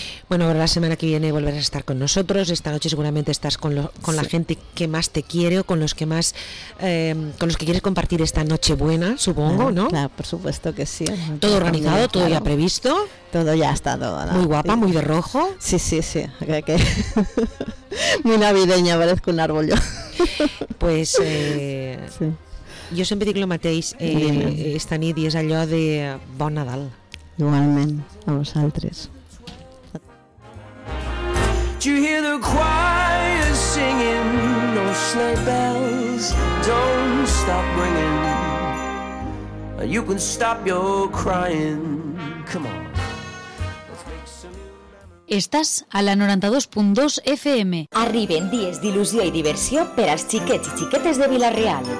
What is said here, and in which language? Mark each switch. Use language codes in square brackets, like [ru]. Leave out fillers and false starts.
[es] Bueno, la semana que viene volverás a estar con nosotros. Esta noche seguramente estás con la gente que más te quiere o con los que más con los que quieres compartir esta noche buena, supongo, ¿no? Claro, por supuesto que sí. Todo organizado, todo ya previsto. Todo ya está todo, ¿no? Muy guapa, muy de rojo. Sí, sí, sí. Que muy navideña, parezco un árbol yo. Pues sí. [ca] Jo sempre dic el mateix esta nit, i és allò de bon Nadal. Igualment, a vosaltres. [en] Do you hear the choir singing? No sleigh bells, don't stop ringing. You can stop your crying, come on. [ca] Estàs a la 92.2 FM. Arriben dies d'il·lusió i diversió per als xiquets i xiquetes de Vila-real.